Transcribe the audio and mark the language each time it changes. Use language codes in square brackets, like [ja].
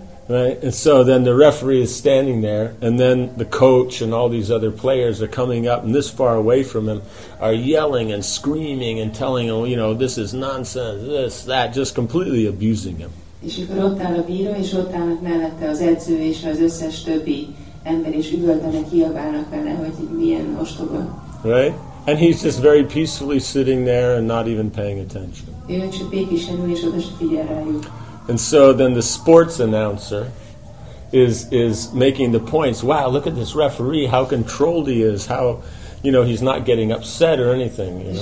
[en] Right? And so then the referee is standing there, and then the coach and all these other players are coming up, and this far away from him are yelling and screaming and telling him, you know, this is nonsense, this, that, just completely abusing him. [hu] És akkor ott áll a bíró, és ott állnak mellette az edző és az összes többi ember, és üvöltenek, kiabálnak vele, hogy milyen ostoba. [en] Right? And he's just very peacefully sitting there and not even paying attention. And so then the sports announcer is making the points, wow, look at this referee, how controlled he is, how, you know, he's not getting upset or anything. You know?